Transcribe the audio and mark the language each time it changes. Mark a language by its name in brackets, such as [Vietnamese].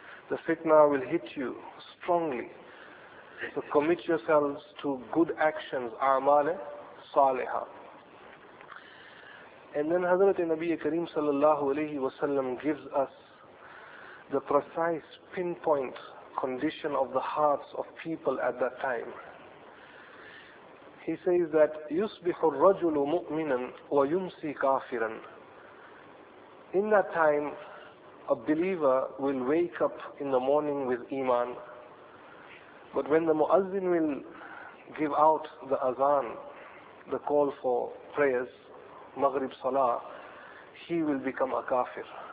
[English] The fitna will hit you strongly. So commit yourselves to good actions, amal saliha. And then Hazrat Nabi Kareem sallallahu alayhi wa sallam gives us the precise pinpoint condition of the hearts of people at that time. He says that [Arabic] يُصْبِحُ الرَّجُلُ مُؤْمِنًا وَيُمْسِي كَافِرًا. [English] In that time, a believer will wake up in the morning with iman. But when the muazzin will give out the azan, the call for prayers, Maghrib Salah, he will become a kafir.